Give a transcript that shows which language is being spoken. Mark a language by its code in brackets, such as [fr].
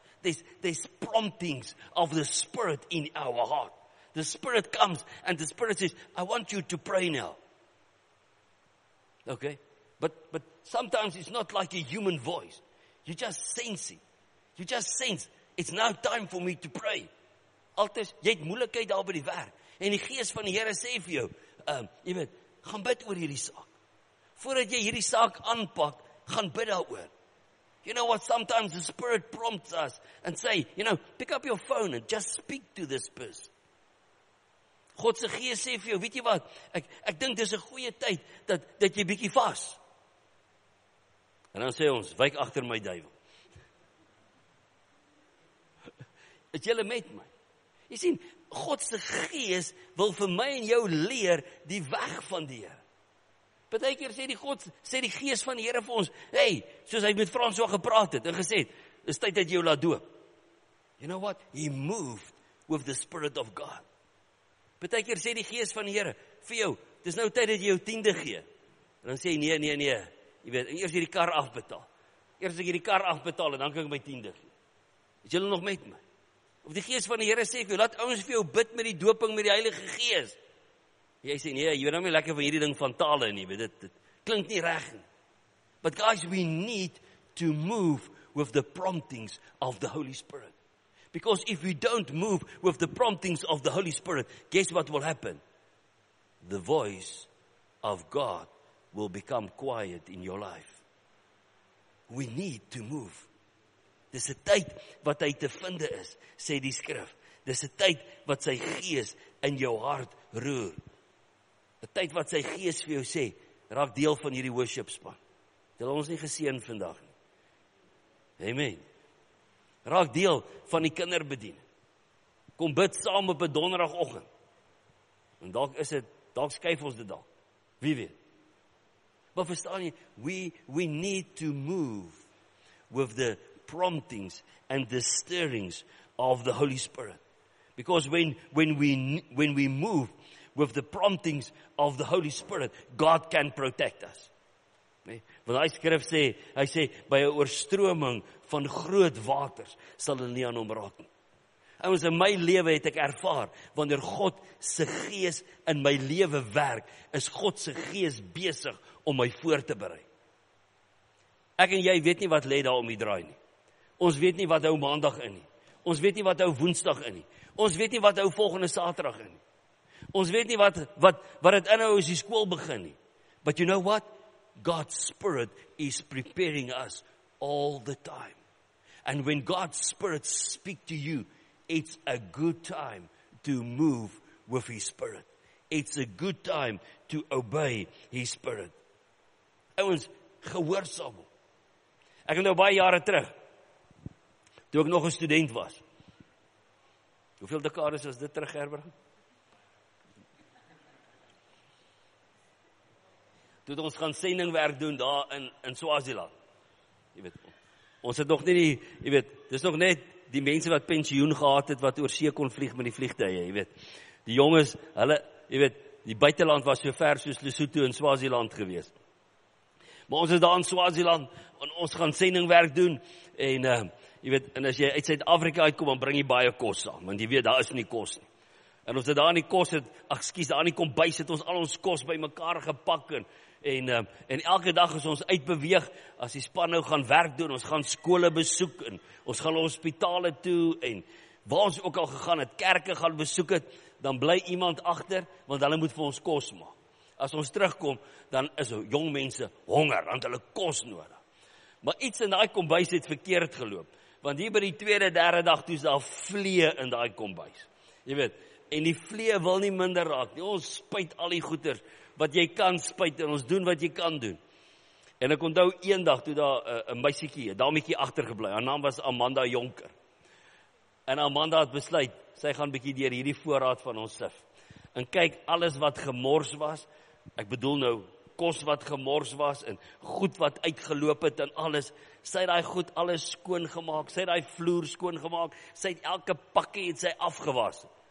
[en] There's promptings of the Spirit in our heart. The Spirit comes and the Spirit says, I want you to pray now. Okay? But sometimes it's not like a human voice. You just sense it. You just sense, it's now time for me to pray. [af] Altes, jy het moeilikheid daar by die werk. En die Gees van die Here sê vir jou, jy weet, gaan bid oor hierdie saak. Voordat jy hierdie saak aanpak, gaan bid daaroor. [en] You know what, sometimes the Spirit prompts us and say, you know, pick up your phone and just speak to this person. [af] God se Gees sê vir jou, weet jy wat, ek dink dis 'n goeie tyd dat jy bietjie vas. En dan sê ons, wyk agter my duiwel. Is jy met my? Jy sien, God se Gees wil vir my en jou leer die weg van die Here. Partykeer sê die Gees van die Here vir ons, hey, soos hy met Frans so gepraat het en gesê het, is tyd dat jy jou laat doop. [en] You know what? He moved with the Spirit of God. [af] Partykeer sê die Gees van die Here vir jou, dis nou tyd dat jy jou tiende gee. En dan sê hy, nee, jy weet, eers hierdie kar afbetaal. Eers as ek hierdie kar afbetaal en dan kan ek my tiende gee. Is jy nog met my? Of die Gees van die Here sê vir jou, laat ouens vir jou bid met die doping met die Heilige Gees. Jy sê, nee, jy weet nou nie lekker van hierdie ding van tale nie, weet dit klink nie reg nie. [en] But guys, we need to move with the promptings of the Holy Spirit. Because if we don't move with the promptings of the Holy Spirit, guess what will happen? The voice of God will become quiet in your life. We need to move. [af] Dis 'n tyd wat hy te vinde is, sê die skrif. Dis 'n tyd wat sy gees in jou hart roer. 'n Tyd wat sy gees vir jou sê, raak deel van hierdie worship span. Het hulle ons nie geseën vandag nie. Amen. Raak deel van die kinderbediening. Kom bid saam op 'n donderdagoggend. En dalk is dit, dalk skuif ons dit dalk. Wie weet. Maar verstaan jy, [en] we need to move with the promptings and the stirrings of the Holy Spirit. Because when we move with the promptings of the Holy Spirit, God can protect us. [af] Nee? Want hy skrif sê, hy sê, by 'n oorstroming van groot waters, sal hulle nie aan hom raak nie. Ouens, in my lewe het ek ervaar, wanneer God se gees in my lewe werk, is God se gees besig om my voor te berei. Ek en jy weet nie wat lê daar om die draai nie. Ons weet nie wat hou maandag in nie. Ons weet nie wat hou woensdag in nie. Ons weet nie wat hou volgende saterdag in nie. Ons weet nie wat dit inhou as die skool begin nie. [en] But you know what? God's Spirit is preparing us all the time. And when God's Spirit speak to you, it's a good time to move with His Spirit. It's a good time to obey His Spirit. [af] Ouens, gehoorsaam. Ek het nou baie jare terug, toe ek nog 'n student was. Hoeveel dekades was dit terug, Gerber? Toe het ons gaan sendingwerk doen daar in Swaziland. Jy weet, ons het nog nie die, jy weet, dis nog net die mense wat pensioen gehad het, wat oor see kon vlieg met die vliegtuie, jy weet. Die jonges, hulle, jy weet, die buiteland was so ver soos Lesotho in Swaziland gewees. Maar ons is daar in Swaziland, en ons gaan sendingwerk doen, en, jy weet, en as jy uit Suid-Afrika uitkom, dan bring jy baie kos saam, want jy weet, daar is nie kos nie. En ons het daar in die kos het, excuse, daar in die kombuis het ons al ons kos by mekaar gepak en elke dag is ons uitbeweeg, as die span nou gaan werk doen, ons gaan skole besoek en ons gaan hospitale toe en waar ons ook al gegaan het, kerke gaan besoek het, dan bly iemand achter, want hulle moet vir ons kos maak. As ons terugkom, dan is jong mense honger, want hulle kos nodig. Maar iets in die kombuis het verkeerd geloop, want hier by die tweede, derde dag, toe is daar vlee in die kombuis. Jy weet, en die vlee wil nie minder raak, nie. Ons spuit al die goeders, wat jy kan spuit, en ons doen wat jy kan doen. En ek onthou een dag, toe daar een meisiekie, een dametjie achtergeblei, haar naam was Amanda Jonker. En Amanda het besluit, sy gaan bietjie deur hierdie voorraad van ons sif. En kyk, alles wat gemors was, ek bedoel nou, kos wat gemors was, en goed wat uitgeloop het, en alles, sy het daai goed alles skoon gemaak, sy het daai vloer skoon gemaak, sy het elke pakkie het sy afgewas.